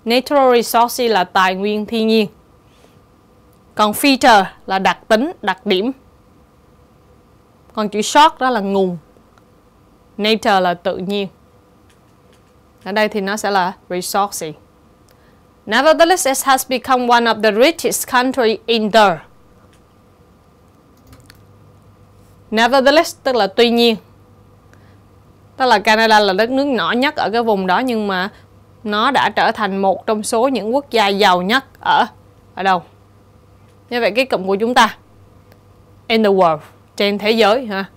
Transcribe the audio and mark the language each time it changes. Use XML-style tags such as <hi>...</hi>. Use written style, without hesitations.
<vi>Natural resources là tài nguyên thiên nhiên. Còn feature là đặc tính, đặc điểm. Còn chữ short đó là nguồn. Nature là tự nhiên. Ở đây thì nó sẽ là resources.</vi> <en>Nevertheless, it has become one of the richest countries in the world.</en> <vi>Nevertheless, tức là tuy nhiên. Tức là Canada là đất nước nhỏ nhất ở cái vùng đó, nhưng mà nó đã trở thành một trong số những quốc gia giàu nhất ở đâu? Như vậy cái cụm của chúng ta,</vi> <en>in the world,</en> <vi>trên thế giới ha.</vi>